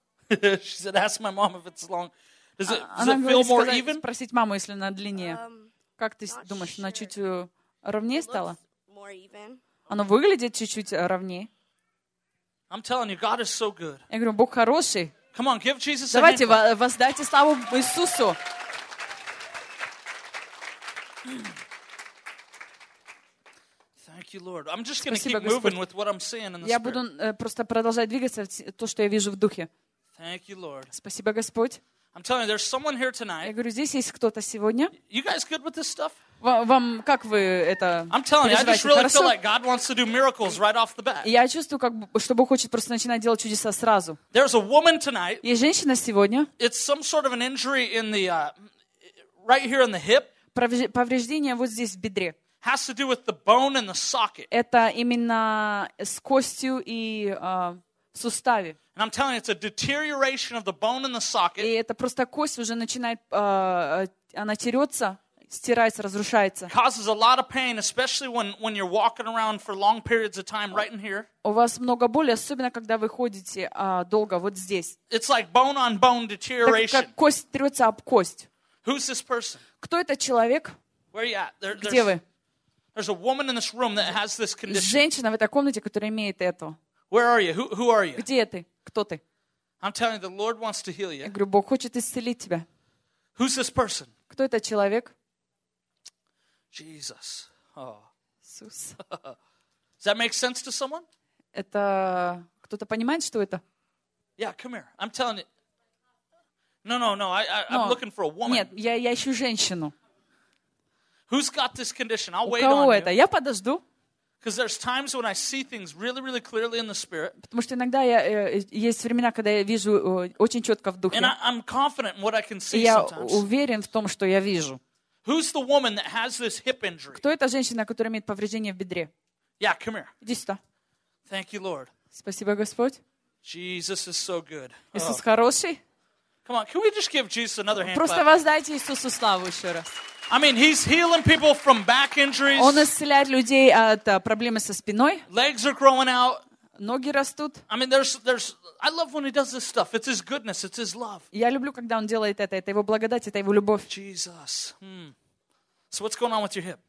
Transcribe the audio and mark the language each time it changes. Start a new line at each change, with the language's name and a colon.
English: She said, "Ask my mom if it's long. Does it feel more even?"
Russian: Спросить маму, если она длиннее. Как ты думаешь, она чуть ровнее стала? Оно выглядит чуть-чуть ровнее.
English: I'm telling you, God is so good.
Russian: Я говорю, Бог хороший.
English: Come on, give Jesus a
Russian: Давайте воздайте славу Иисусу.
English: Thank you, Lord. I'm just going to keep moving with what I'm seeing in the spirit.
Russian: Я буду просто продолжать двигаться то, что я вижу в духе.
English: Thank you, Lord.
Russian: Спасибо, Господь.
English: I'm telling you, there's someone here tonight.
Russian: Я говорю, здесь есть кто-то сегодня.
English: You guys good with this stuff?
Russian: Вам как вы это
English: I'm telling you, I just really feel like God wants to do miracles right off the bat.
Russian: Я чувствую, как что Бог хочет просто начинать делать чудеса сразу.
English: There's a woman tonight.
Russian: Есть женщина сегодня.
English: It's some sort of an injury in the right here in the hip.
Russian: Повреждение вот здесь в бедре.
English: Has to do with the bone and the socket.
Russian: Это именно с костью и в суставе.
English: And I'm telling you, it's a deterioration of the bone in the socket.
Russian: И это просто кость уже начинает, она терется, стирается, разрушается.
English: Causes a lot of pain, especially when you're walking around for long periods of time right in here.
Russian: У вас много боли, особенно когда вы ходите долго вот здесь.
English: It's like bone on bone deterioration.
Russian: Так как кость трется об кость.
English: Who's this person?
Russian: Кто этот человек?
English: Where are you at?
Russian: Где вы?
English: There's a woman in this room that has this condition.
Russian: Женщина в этой комнате, которая имеет это.
English: Where are you? Who are you?
Russian: Где ты? Кто ты?
English: I'm telling you, the Lord wants to heal you.
Russian: Я говорю, Бог хочет исцелить тебя.
English: Who's this person?
Russian: Кто этот человек?
English: Jesus. Oh.
Russian: Иисус.
English: Does that make sense to someone?
Russian: Это кто-то понимает, что это?
English: Yeah, come here. I'm telling you. No. I'm looking for a woman.
Russian: Нет, я ищу женщину.
English: Who's got this condition? I'll
Russian: У
English: wait
Russian: кого
English: on
Russian: это?
English: You.
Russian: Я подожду.
English: Because there's times when I see things really, really clearly in the spirit.
Russian: Потому что иногда я есть времена, когда я вижу очень четко в духе.
English: And I'm confident in what I can see.
Russian: Я уверен в том, что я вижу.
English: Who's the woman that has this hip injury?
Russian: Кто эта женщина, которая имеет повреждение в бедре?
English: Yeah, come here.
Russian: Иди сюда.
English: Thank you, Lord.
Russian: Спасибо, Господь.
English: Jesus is so good.
Russian: Иисус хороший.
English: Come on, can we just give Jesus another hand?
Russian: Просто воздайте Иисусу славу еще раз.
English: I mean, he's healing people from back injuries.
Russian: Он исцеляет людей от проблемы со спиной.
English: Legs are growing out.
Russian: Ноги растут.
English: I mean, I love when he does this stuff. It's his goodness. It's his love.
Russian: Я люблю, когда он делает это его благодать, это его любовь.
English: Jesus. So what's going on with your hip?